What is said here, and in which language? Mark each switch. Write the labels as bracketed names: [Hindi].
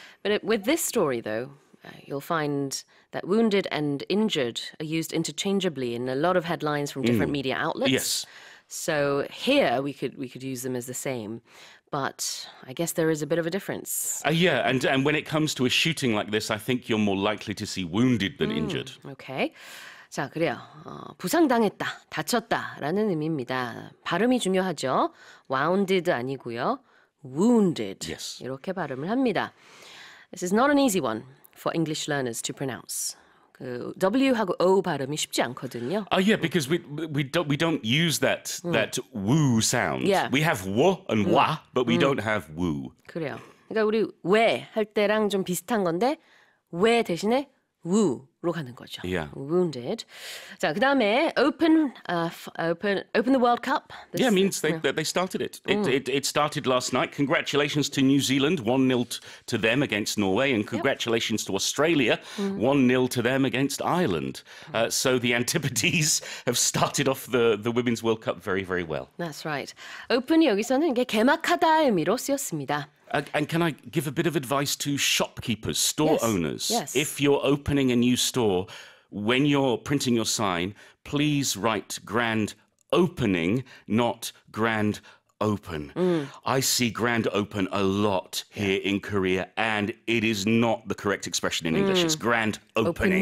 [English] But with this story, though, you'll find that wounded and injured are used interchangeably in a lot of headlines from different media outlets. Yes. So here we could use them as the same. But I guess there is a bit of a difference. And when it comes to a shooting like this, I think you're more likely to see wounded than injured. [Korean] Okay. 자, 그래요. 부상당했다, 다쳤다라는 의미입니다. 발음이 중요하죠. Wounded 아니고요. Wounded. [English] Yes. [Korean] 이렇게 발음을 합니다. [English] This is not an easy one for English learners to pronounce. [Korean] 그 W하고 O 발음이 쉽지 않거든요. [English] Yeah, because we don't use that that woo sound. Yeah. We have wo and wa, but we don't have woo. [Korean] 그래요. 그러니까 우리 왜 할 때랑 좀 비슷한 건데 왜 대신에 woo로 가는 거죠. [English] Yeah. Wounded. 자, 그다음에 open the World Cup. This, yeah, means they started it. It started last night. Congratulations to New Zealand, 1-0 to them against Norway, and congratulations to Australia, 1-0 to them against Ireland. So the Antipodes have started off the Women's World Cup very, very well. That's right. [Korean] Open 여기서는 이게 개막하다 의미로 쓰였습니다. [English] And can I give a bit of advice to shopkeepers, store yes, owners? Yes. If you're opening a new store, when you're printing your sign, please write grand opening, not grand open. I see grand open a lot here in Korea, and it is not the correct expression in English. It's grand opening.